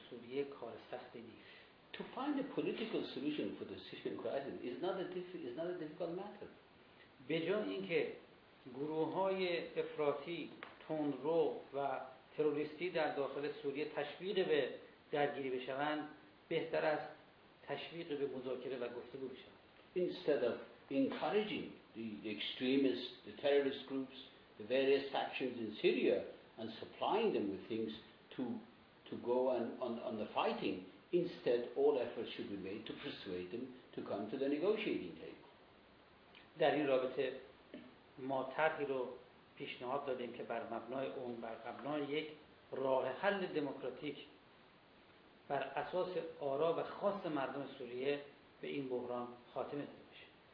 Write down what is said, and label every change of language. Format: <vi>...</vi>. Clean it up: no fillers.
<en>To find a political solution for the Syrian crisis is not a difficult matter.</en> <fa>به جای اینکه گروه‌های افراطی، تندرو و تروریستی در داخل سوریه تشویق به درگیری بشوند، بهتر است تشویق به مذاکره و گفتگو بشوند.</fa> <en>Instead of encouraging the extremists, the terrorist groups, the various factions in Syria and supplying them with things to go and on the fighting, instead all efforts should be made to persuade them to come to the negotiating table.</en> <fa>در این رابطه ما طرحی رو پیشنهاد دادیم که بر مبنای اون، بر مبنای یک راه حل دموکراتیک بر اساس آرا و خاص مردم سوریه به این بحران خاتمه داده بشه.</fa>